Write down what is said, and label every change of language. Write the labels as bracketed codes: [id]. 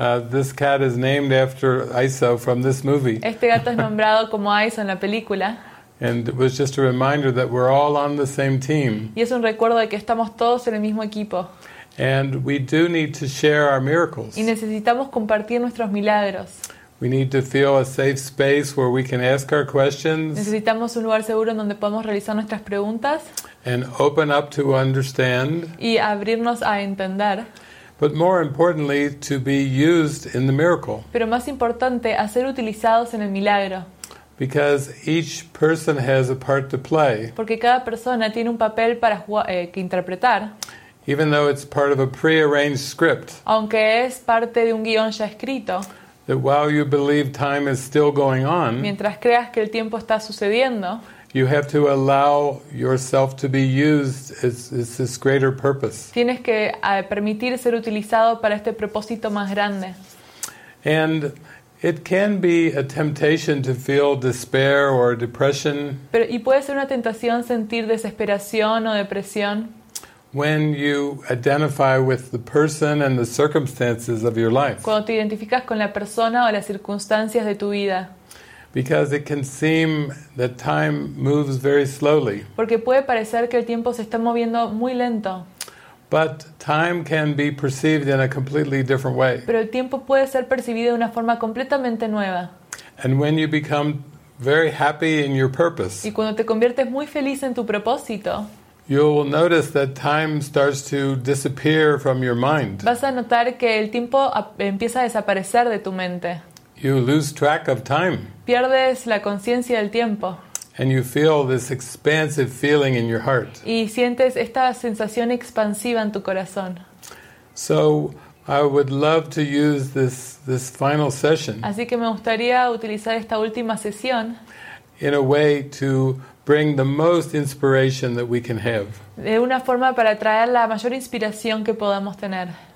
[en] This cat is named after Iso from this movie. [es] Este gato es nombrado como Iso en la película. [en] And it was just a reminder that we're all on the same team. [es] Y es un recuerdo de que estamos todos en el mismo equipo. [en] And we do need to share our miracles. [es] Y necesitamos compartir nuestros milagros. [en] We need to feel a safe space where we can ask our questions. [es] Necesitamos un lugar seguro en donde podamos realizar nuestras preguntas. [en] And open up to understand. [es] Y abrirnos a entender. [en] But more importantly, to be used in the miracle. [es] Pero más importante, a ser utilizados en el milagro. [en] Because each person has a part to play. [es] Porque cada persona tiene un papel para que interpretar. [en] Even though it's part of a prearranged script. [es] Aunque es parte de un guion ya escrito. [en] That while you believe time is still going on, [es] mientras creas que el tiempo está sucediendo, [en] you have to allow yourself to be used as this greater purpose. [es] Tienes que permitir ser utilizado para este propósito más grande. [en] And it can be a temptation to feel despair or depression. [es] Pero y puede ser una tentación sentir desesperación o depresión. [en] When you identify with the person and the circumstances of your life. [es] Cuando te identificas con la persona o las circunstancias de tu vida. [en] Because it can seem that time moves very slowly. [es] Porque puede parecer que el tiempo se está moviendo muy lento. [en] But time can be perceived in a completely different way. [es] Pero el tiempo puede ser percibido de una forma completamente nueva. [en] And when you become very happy in your purpose. [es] Y cuando te conviertes muy feliz en tu propósito. [en] You'll notice that time starts to disappear from your mind. [es] Vas a notar que el tiempo empieza a desaparecer de tu mente. [en] You lose track of time. [es] Pierdes la conciencia del tiempo. [en] And you feel this expansive feeling in your heart. [es] Y sientes esta sensación expansiva en tu corazón. [en] So I would love to use this final session. [es] Así que me gustaría utilizar esta última sesión. [en] In a way to bring the most inspiration that we can have. [es] De una forma para traer la mayor inspiración que podamos tener.